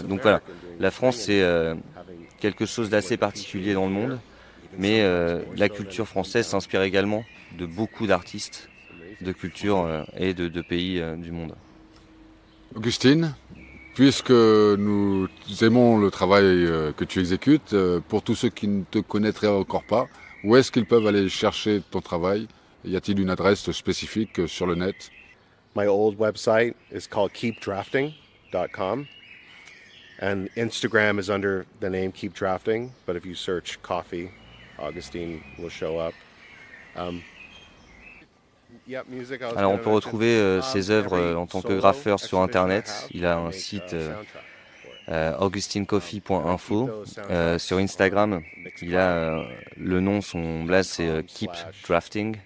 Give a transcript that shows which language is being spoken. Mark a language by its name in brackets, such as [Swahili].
[French] Donc voilà, la France, c'est quelque chose d'assez particulier dans le monde, mais la culture française s'inspire également de beaucoup d'artistes, de cultures et de pays du monde. Augustine ? Puisque nous aimons le travail que tu exécutes, pour tous ceux qui ne te connaîtraient encore pas, où est-ce qu'ils peuvent aller chercher ton travail? Y a-t-il une adresse spécifique sur le net? [English] My old website is called keepdrafting.com and Instagram is under the name keepdrafting, but if you search coffee, Augustine will show up. [French] Alors on peut retrouver ses œuvres en tant que graffeur sur internet. Il a un site augustinecoffee.info. Sur Instagram, il a le nom, son blast c'est Keep Drafting.